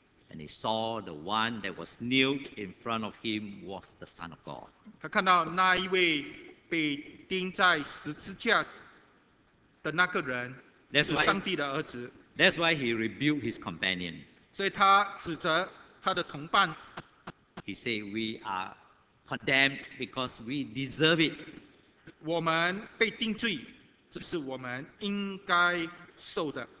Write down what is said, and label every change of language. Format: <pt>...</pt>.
<en>And he saw the one that was nailed in front of him was the Son of God.</en> <zh>他看到那一位被钉在十字架的那个人是上帝的儿子。</zh> <en>That's why he rebuked his companion.</en> <zh>所以他指责他的同伴。</zh> <en>He said, we are condemned because we deserve it.</en> <zh>我们被定罪, 这是我们应该受的。</zh>